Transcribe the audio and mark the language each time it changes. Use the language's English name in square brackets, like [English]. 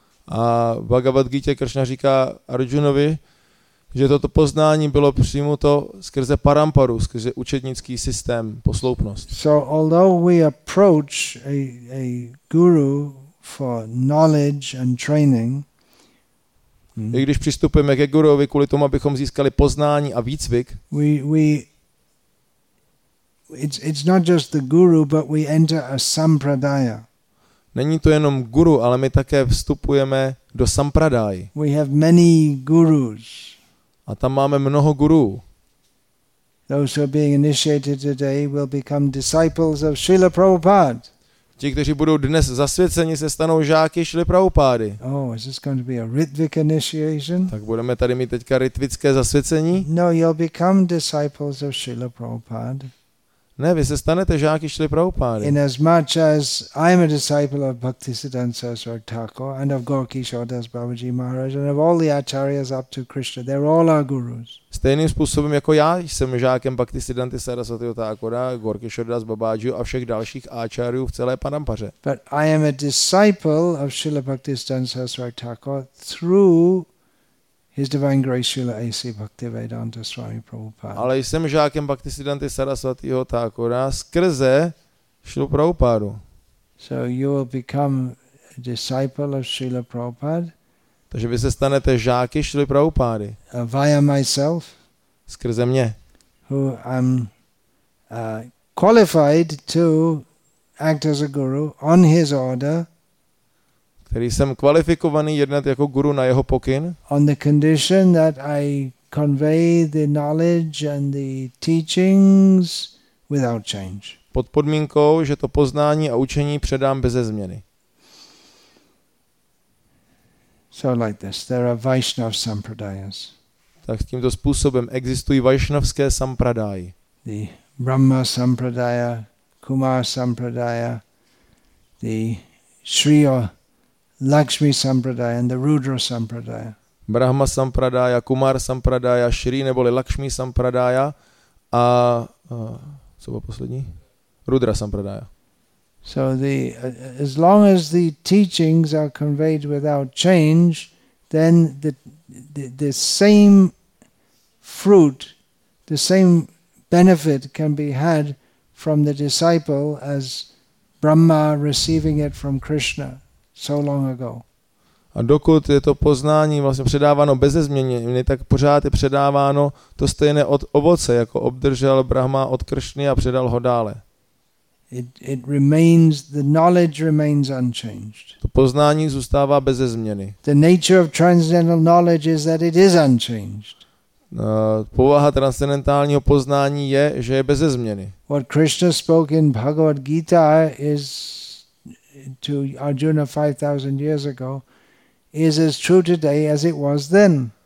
[Czech] A Bhagavad Gita Krishna říká Arjunovi, že toto poznání bylo přijmuto skrze paramparu, skrze učednický systém posloupnost. [English] So although we approach a guru for knowledge and training, [Czech] i když přistupujeme ke guruovi kvůli tomu, abychom získali poznání a výcvik, [English] It's not just the guru, but we enter a sampradaya. [Czech] Není to jenom guru, ale my také vstupujeme do sampradaj. [English] We have many gurus. [Czech] A tam máme mnoho gurů. [English] Those who are being initiated today will become disciples of Srila Prabhupada. [Czech] Ti, kteří budou dnes zasvěceni, se stanou žáky Srila Prabhupády. [English] Oh, is this going to be a Ritvik initiation? [Czech] Tak budeme tady mít teďka ritvické zasvěcení? [English] No, you'll become disciples of Srila Prabhupada. [Czech] Ne, vy se stanete žáky Šrily Prabhupády. [English] In as much as I am a disciple of Bhaktisiddhanta Saraswati Thakur and of Gaurakishordas Babaji Maharaj and of all the acharyas up to Krishna, they're all our gurus. [Czech] Stejným způsobem jako já jsem žákem Bhaktisiddhanty Saraswati Thakura, Gaurakishordas Babaji a všech dalších acharyů v celé parampaře. [English] But I am a disciple of Srila Bhaktisiddhanta Saraswati Thakur through His divine grace Srila A.C. Bhaktivedanta Swami Prabhupada. [Czech] Ale jsem žákem Bhaktisiddhanty Sarasvatýho Thakura skrze Srilu Prabhupádu. [English] So you will become a disciple of Srila Prabhupada. [Czech] Takže vy se stanete žáky Srily Prabhupády. [English] Via myself. [Czech] Skrze mě. [English] Who am qualified to act as a guru on his order. [Czech] Který jsem kvalifikovaný jednat jako guru na jeho pokyn. [English] On the condition that I convey the knowledge and the teachings without change. [Czech] Pod podmínkou, že to poznání a učení předám bez změny. [English] So like this, there are Vaishnav sampradayas. [Czech] Tak tímto způsobem existují Vaishnavské sampradáje. [English] The Brahma sampradaya, Kumar sampradaya, the Shriya Lakshmi Sampradaya and the Rudra Sampradaya. [Czech] Brahma Sampradaya, Kumar Sampradaya, Shri neboli Lakshmi Sampradaya a co bylo poslední? Rudra Sampradaya. [English] So the as long as the teachings are conveyed without change, then the same fruit, the same benefit can be had from the disciple as Brahma receiving it from Krishna. So long ago. [Czech] A dokud je to poznání vlastně předáváno bez změny, tak pořád je předáváno to stejné od ovoce, jako obdržel Brahma od Kršny a předal ho dále. [English] It remains, the knowledge remains unchanged. [Czech] To poznání zůstává bez změny. [English] The nature of transcendental knowledge is that it is unchanged. [Czech] Povaha transcendentálního poznání je, že je bez změny. [English] What Krishna spoke in Bhagavad Gita is to Arjuna 5000 years ago is as true today as it was then.